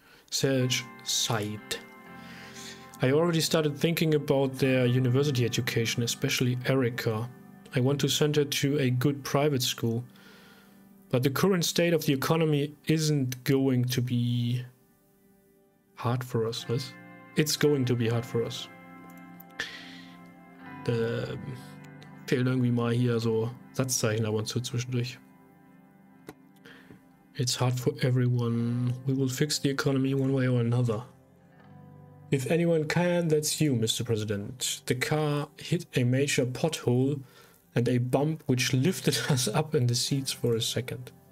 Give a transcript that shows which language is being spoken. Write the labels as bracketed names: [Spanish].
[English] Serge sighed. I already started thinking about their university education, especially Erica. I want to send her to a good private school. But the current state of the economy isn't going to be hard for us. It's going to be hard for us. [German] Fehlen irgendwie mal hier so Satzzeichen ab und zu zwischendurch. [English] It's hard for everyone. We will fix the economy one way or another. If anyone can, that's you, Mr. President. The car hit a major pothole and a bump which lifted us up in the seats for a second.